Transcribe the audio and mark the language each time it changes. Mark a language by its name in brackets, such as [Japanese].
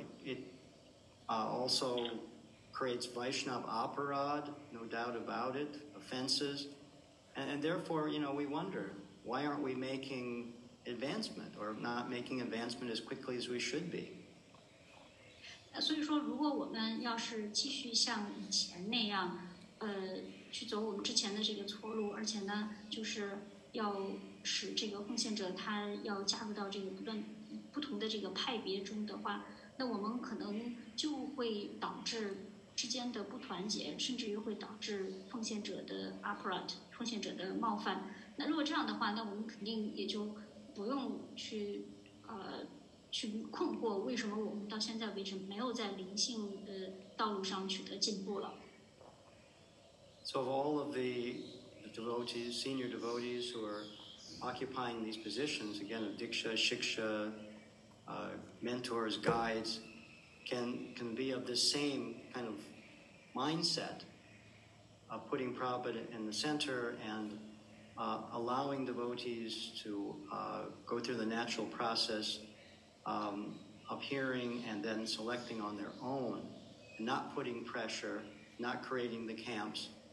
[English] It also creates Vaishnav aparad, no doubt about it, offenses. And therefore, you know, we wonder, why aren't we making advancement or not making advancement as quickly as we should be? [Chinese] 所以说如果我们要是继续像以前那样去走我们之前的这个错路，而且呢就是要使这个奉献者他要加入到这个不同的这个派别中的话，那我们可能就会导致之间的不团结，甚至于会导致奉献者的 [English] upright [Chinese] 奉献者的冒犯。那如果这样的话，那我们肯定也就不用去去困惑为什么我们到现在为止没有在灵性的道路上取得进步了。 [English] So of all of the devotees, senior devotees who are occupying these positions, again, of Diksha, Shiksha, mentors, guides, can be of the same kind of mindset of putting Prabhupada in the center and allowing devotees to go through the natural process of hearing and then selecting on their own, and not putting pressure, not creating the camps.